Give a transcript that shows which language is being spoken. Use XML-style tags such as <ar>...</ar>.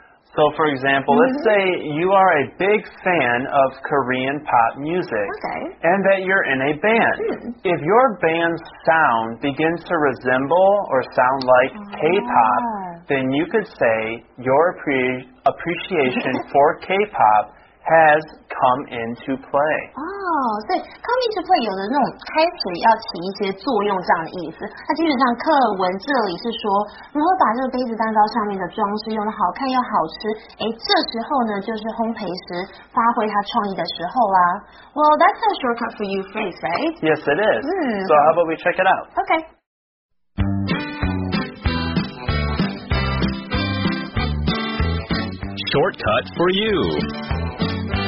<en>So, for example, let's say you are a big fan of Korean pop music and that you're in a band. If your band's sound begins to resemble or sound like K-pop, then you could say your appreciation for K-pop has come into play. Oh, so come into play</en> <zh>有的那种开始要起一些作用这样的意思。那基本上课文这里是说如何把这个杯子蛋糕上面的装饰用得好看又好吃。诶，这时候呢就是烘焙时发挥它创意的时候啦。</zh> <en>Well, that's a shortcut for you phrase, right? Yes, it is. So how about we check it out? Okay. Shortcut for you.</en>